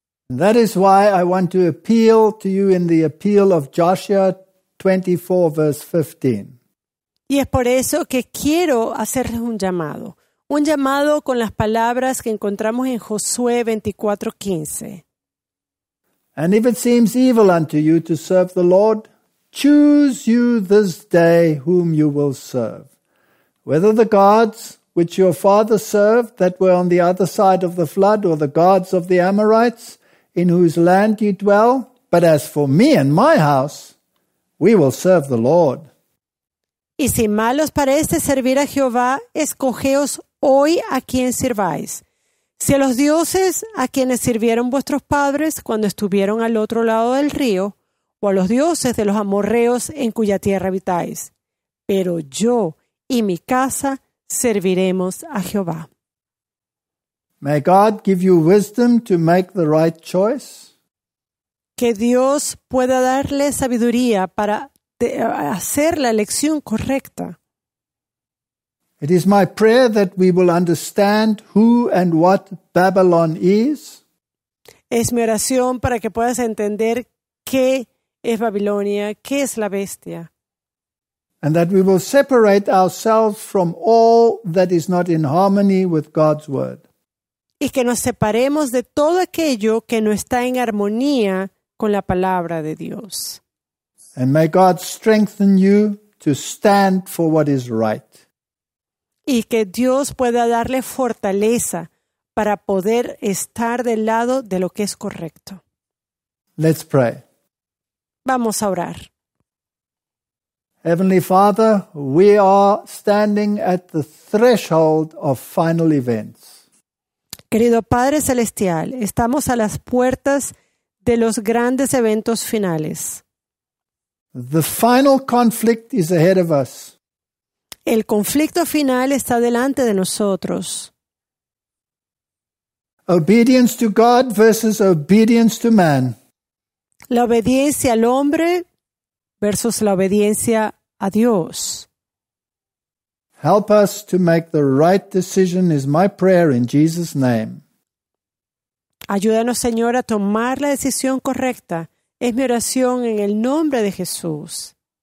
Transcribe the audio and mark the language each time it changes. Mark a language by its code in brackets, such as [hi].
[en] That is why I want to appeal to you in the appeal of Joshua 24, verse 15. [es] Y es por eso que quiero hacerles un llamado con las palabras que encontramos en Josué 24, 15. [en] And if it seems evil unto you to serve the Lord, choose you this day whom you will serve, whether the gods which your father served that were on the other side of the flood, or the gods of the Amorites in whose land you dwell. But as for me and my house, we will serve the Lord. [es] Y si mal os parece servir a Jehová, escogeos hoy a quién sirváis. Si a los dioses a quienes sirvieron vuestros padres cuando estuvieron al otro lado del río, o a los dioses de los amorreos en cuya tierra habitáis. Pero yo y mi casa serviremos a Jehová. [en] May God give you wisdom to make the right choice. [es] Que Dios pueda darle sabiduría para hacer la elección correcta. [en] It is my prayer that we will understand who and what Babylon is. [es] Es mi oración para que puedas entender qué es Babilonia, qué es la bestia. [en] And that we will separate ourselves from all that is not in harmony with God's word. [es] Y que nos separemos de todo aquello que no está en armonía con la palabra de Dios. [en] And may God strengthen you to stand for what is right. [es] Y que Dios pueda darle fortaleza para poder estar del lado de lo que es correcto. [en] Let's pray. [es] Vamos a orar. [en] Heavenly Father, we are standing at the threshold of final events. [es] Querido Padre Celestial, estamos a las puertas de los grandes eventos finales. [en] The final conflict is ahead of us. [es] El conflicto final está delante de nosotros. [en] Obedience to God versus obedience to man. [es] La obediencia al hombre versus la obediencia a Dios. [en] Help us to make the right decision is my prayer in Jesus' name. [es] Ayúdanos, Señor, a tomar la decisión correcta. Es mi oración en el nombre de Jesús.